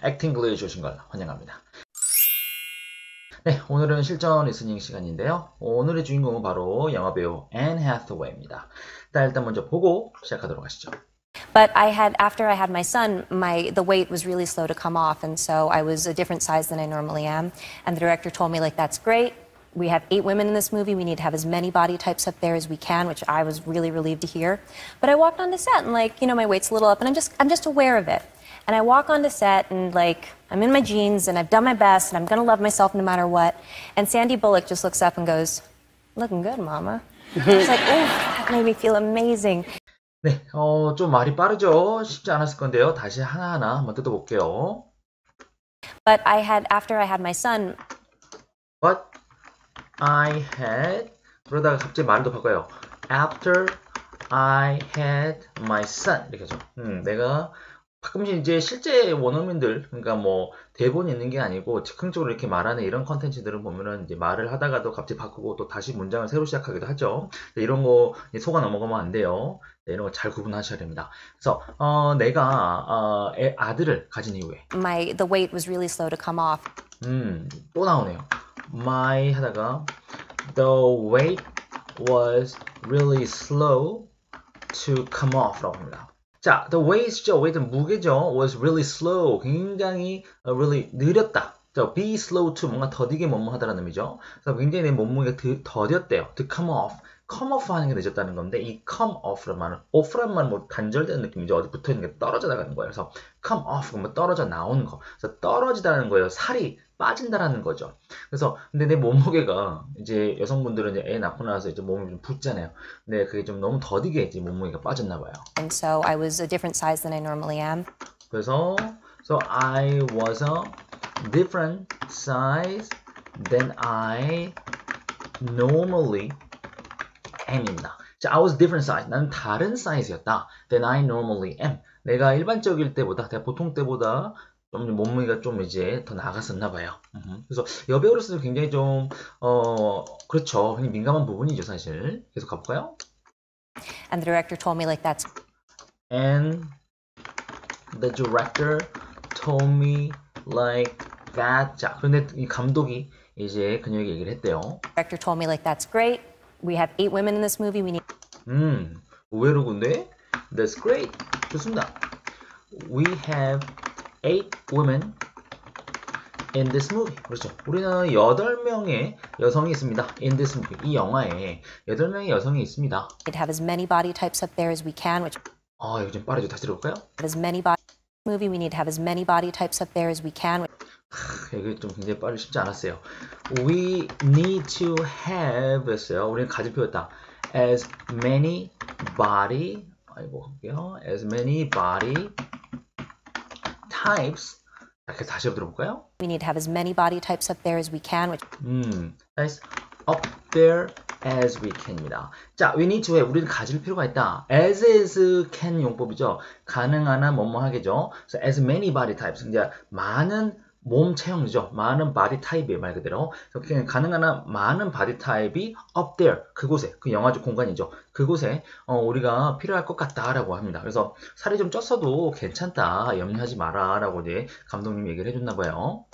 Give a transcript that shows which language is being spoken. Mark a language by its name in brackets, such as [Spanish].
[Korean] Acting English 오신 걸 환영합니다. 네, 오늘은 실전 리스닝 시간인데요. 오늘의 주인공은 바로 영화배우 앤 해서웨이입니다. 일단 먼저 보고 시작하도록 하시죠. [English] But after I had my son, the weight was really slow to come off, and so I was a different size than I normally am. And the director told me, like, that's great. We have eight women in this movie. We need to have as many body types up there as we can, which I was really relieved to hear. But I walked onto set and, like, my weight's a little up, and I'm just aware of it. And I walk onto set and, like, I'm in my jeans and I've done my best and I'm gonna love myself no matter what. And Sandy Bullock just looks up and goes, "Looking good, Mama." It's like, oh, that made me feel amazing. [Korean] 네, 좀 말이 빠르죠? 쉽지 않았을 건데요. 다시 하나하나 한번 뜯어볼게요. [English] But I had after I had my son. But I had [Korean] 그러다가 갑자기 말도 바꿔요. [English] After I had my son [Korean] 이렇게 하죠. 내가 가끔씩 이제 실제 원어민들, 그러니까 뭐 대본이 있는 게 아니고 즉흥적으로 이렇게 말하는 이런 컨텐츠들을 보면은 이제 말을 하다가도 갑자기 바꾸고 또 다시 문장을 새로 시작하기도 하죠. 이런 거 속아 넘어가면 안 돼요. 이런 거잘 구분하셔야 됩니다. 그래서 내가 아들을 가진 이후에 [English] The weight was really slow to come off. [Korean] 또 나오네요. [English] My [Korean] 하다가 [English] the weight was really slow to come off라고 합니다. 자, the weight죠. weight는 [Korean] 무게죠. [English] was really slow. [Korean] 굉장히 really 느렸다. 자, be slow to 뭔가 더디게 뭐뭐하다라는 의미죠. 그래서 굉장히 내 몸무게가 더뎠대요. [English] to come off. [Korean] come off 하는 게 늦었다는 건데 이 come off란 말은 off란 말은 뭐 단절되는 느낌이죠. 어디 붙어 있는 게 떨어져 나가는 거예요. 그래서 come off 그러면 떨어져 나오는 거. 그래서 떨어지다라는 거예요. 살이 빠진다라는 거죠. 그래서 근데 내 몸무게가 이제 여성분들은 이제 애 낳고 나서 이제 몸이 좀 붙잖아요. 근데 그게 좀 너무 더디게 이제 몸무게가 빠졌나 봐요. [English] And so I was a different size than I normally am. [Korean] 그래서 [English] so I was a different size than I normally am입니다. 자, I was different size. [Korean] 나는 다른 사이즈였다. [English] Than I normally am. [Korean] 내가 일반적일 때보다, 내가 보통 때보다 좀 몸무게가 좀 이제 더 나갔었나 봐요. 그래서 여배우로서도 굉장히 좀, 그렇죠. 그냥 민감한 부분이죠, 사실. 계속 가볼까요? [English] And the director told me, like, that's And the director told me like that. [Korean] 자, 그런데 이 감독이 이제 그녀에게 얘기를 했대요. [English] Director told me, like, that's great. We have eight women in this movie. We need [Korean] 의외로 근데 [English] That's great. [Korean] 좋습니다. [English] We have eight women in this movie. [Korean] 그렇죠. 우리는 8명의 여성이 있습니다. [English] In this movie. [Korean] 이 영화에 8명의 여성이 있습니다. [English] We'd have as many body types up there as we can, which [Korean] 이거 좀 빠르죠. 다시 들어볼까요? [English] as many body movie we need to have as many body types up there as we can. [Korean] 이게 좀 굉장히 빠르게 쉽지 않았어요. [English] We need to have 였어요. [Korean] 우리는 가짓표였다. [English] As many body [Korean] 아이고 볼게요. [English] As many body types [Korean] 이렇게 다시 한번 들어볼까요? [English] We need to have as many body types up there as we can, which As up there as we can입니다. [Korean] 자, [English] we need to have [Korean] 우리는 가질 필요가 있다. As can 용법이죠. 가능하나 뭐뭐 하겠죠. [English] So as many body types [Korean] 이제 많은 몸 체형이죠. 많은 바디 타입이에요, 말 그대로. 가능한 한 많은 바디 타입이 up there, 그곳에, 그 영화적 공간이죠. 그곳에 우리가 필요할 것 같다라고 합니다. 그래서 살이 좀 쪘어도 괜찮다, 염려하지 마라라고 이제 감독님이 얘기를 해줬나 봐요.